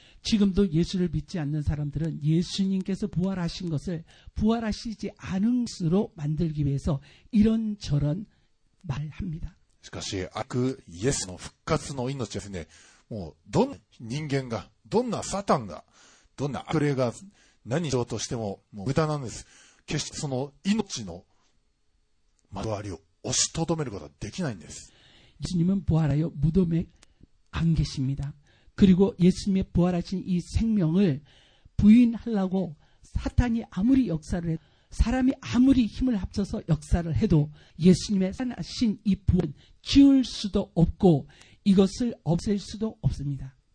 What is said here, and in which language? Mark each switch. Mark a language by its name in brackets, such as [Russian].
[Korean] 지금도 예수를 믿지 않는 사람들은 예수님께서 부활하신 것을 부활하시지 않은 것으로 만들기 위해서 이런저런 말합니다. [Japanese] しかし、イエスの復活の命ですね、もうどんな人間が、どんな사탄が、どんな悪霊が何しようとしても無駄なんです。決してその命の交わりを押しとどめることはできないんです。 [Korean] 예수님은 부활하여 무덤에 안 계십니다. 그리고 예수님의 부활하신 이 생명을 부인하려고 사탄이 아무리 역사를 해도 사람이 아무리 힘을 합쳐서 역사를 해도 예수님의 살아나신 이 부활은 지울 수도 없고 이것을 없앨 수도 없습니다.